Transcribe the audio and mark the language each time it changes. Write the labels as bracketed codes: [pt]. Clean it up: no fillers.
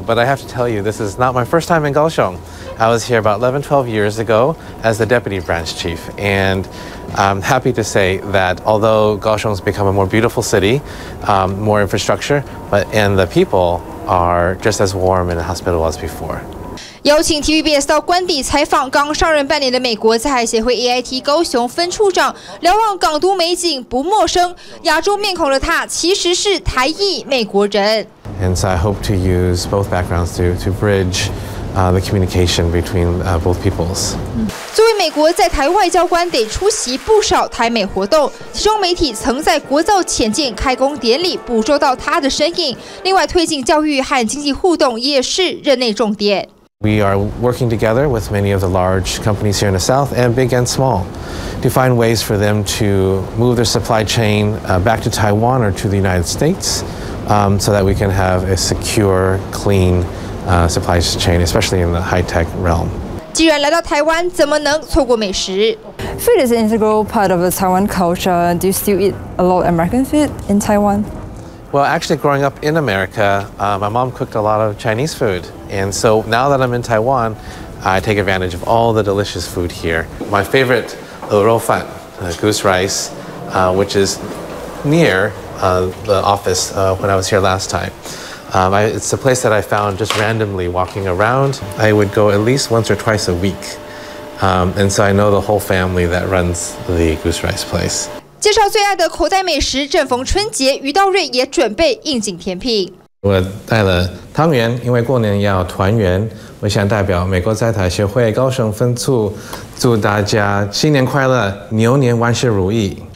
[en] But I have to tell you, this is not my first time in Kaohsiung. I was here about 11, 12 years ago as the deputy branch chief. And I'm happy to say that although Kaohsiung's become a more beautiful city, more infrastructure, but and the people are just as warm and hospitable as before. [zh] 邀请 TVBS 到官邸采访刚上任半年的美国在台协会 AIT 高雄分处长，瞭望港都美景不陌生，亚洲面孔的他其实是台裔美国人。 [en] And so I hope to use both backgrounds to bridge the communication between both peoples. [zh] 作为美国在台外交官，得出席不少台美活动，其中媒体曾在国造潜舰开工典礼捕捉到他的身影。另外，推进教育和经济互动也是任内重点。 [en] We are working together with many of the large companies here in the South, and big and small, to find ways for them to move their supply chain back to Taiwan or to the United States, so that we can have a secure, clean supply chain, especially in the high-tech realm. [zh] 既然来到台湾，怎么能错过美食？ [en] Food is an integral part of the Taiwan culture. Do you still eat a lot of American food in Taiwan? Well, actually, growing up in America, my mom cooked a lot of Chinese food. And so now that I'm in Taiwan, I take advantage of all the delicious food here. My favorite, 鹅肉饭, goose rice, which is near the office when I was here last time. It's a place that I found just randomly walking around. I would go at least once or twice a week. And so I know the whole family that runs the goose rice place. [zh] 介绍最爱的口袋美食，正逢春节，于道瑞也准备应景甜品。我带了汤圆，因为过年要团圆。我想代表美国在台协会高雄分处，祝大家新年快乐，牛年万事如意。